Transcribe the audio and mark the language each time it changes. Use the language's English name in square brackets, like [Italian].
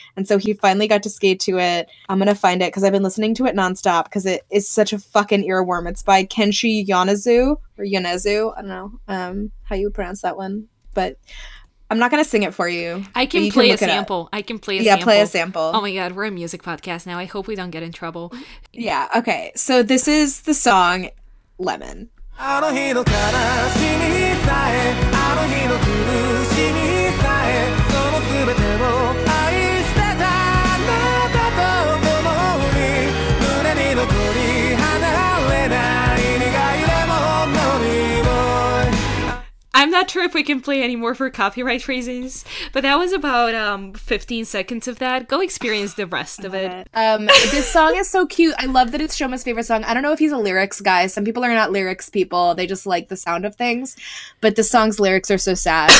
[English] And so he finally got to skate to it. I'm going to find it because I've been listening to it nonstop because it is such a fucking earworm. It's by Kenshi Yonezu or Yonezu. I don't know how you pronounce that one, but I'm not going to sing it for you. I can play a sample. Yeah, play a sample. Oh my God, we're a music podcast now. I hope we don't get in trouble. Yeah, okay. So this is the song. Lemon. [Japanese] あの日の悲しみさえ、あの日の苦しみさえ、その全てを愛してたあなたと共に、胸に残り離れない苦いレモンの匂い。 [English] I'm not sure if we can play anymore for copyright reasons, but that was about 15 seconds of that. Go experience the rest of it. this song is so cute. I love that it's Shoma's favorite song. I don't know if he's a lyrics guy. Some people are not lyrics people. They just like the sound of things. But the song's lyrics are so sad.